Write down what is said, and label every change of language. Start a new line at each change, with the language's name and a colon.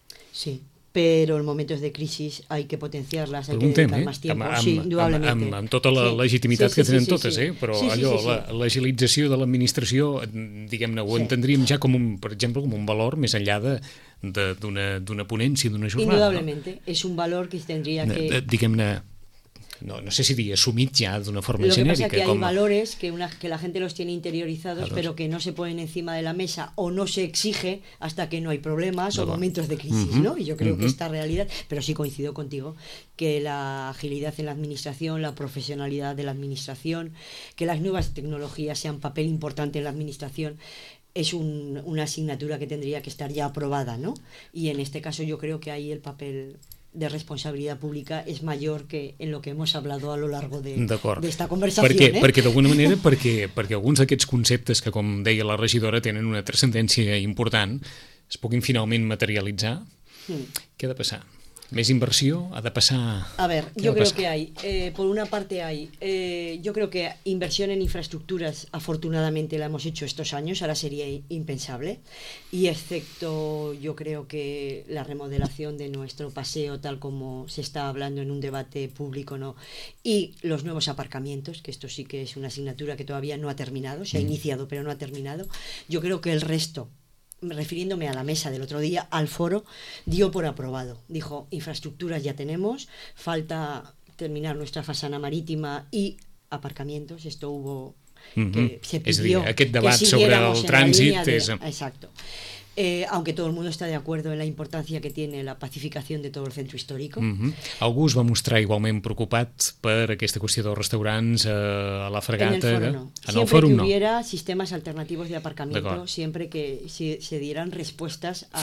Spanish: Sí, pero en momentos de crisis hay que potenciarlas, hay que dedicar más tiempo.
Catalan: Amb tota la legitimitat que tenen totes, però allò, l'agilització de l'administració, diguem-ne, ho entendríem ja com un, per exemple, com un valor més enllà d'una ponència, d'una jornada. Indudablemente, és un valor que es tendria que... Diguem-ne, no sé si diria assumit ja d'una forma genèrica.
Spanish: Lo que pasa que hay valores que la gente los tiene interiorizados pero que no se ponen encima de la mesa o no se exige hasta que no hay problemas o momentos de crisis, ¿no? Y yo creo que esta realidad, pero sí coincido contigo, que la agilidad en la administración, la profesionalidad de la administración, que las nuevas tecnologías sean papel importante en la administración, es una asignatura que tendría que estar ya aprobada, ¿no? Y en este caso yo creo que ahí el papel... de responsabilidad pública es mayor que en lo que hemos hablado a lo largo de esta conversación.
Catalan: Perquè, eh? Perquè d'alguna manera, perquè alguns d'aquests conceptes que, com deia la regidora, tenen una transcendència important, es puguin finalment materialitzar, què ha de passar? Més inversió ha de passar...
Spanish: A ver, yo creo que hay, por una parte hay, yo creo que inversión en infraestructuras afortunadamente la hemos hecho estos años, ahora sería impensable, y excepto yo creo que la remodelación de nuestro paseo tal como se está hablando en un debate público, ¿no? Y los nuevos aparcamientos, que esto sí que es una asignatura que todavía no ha terminado, se ha iniciado pero no ha terminado, yo creo que el resto... refiriéndome a la mesa del otro día, al foro, dio por aprobado. Dijo, infraestructuras ya tenemos, falta terminar nuestra façana marítima y aparcamientos, esto hubo que se pidió. Es decir,
Catalan: aquest debat sobre el trànsit és...
Spanish: Exacto. Aunque todo el mundo está de acuerdo en la importancia que tiene la pacificación de todo el centro histórico.
Catalan: Algú es va mostrar igualment preocupat per aquesta qüestió dels restaurants a la Fregata.
Spanish: En el foro no. Siempre que hubiera sistemas alternativos de aparcamiento, siempre que se dieran respuestas a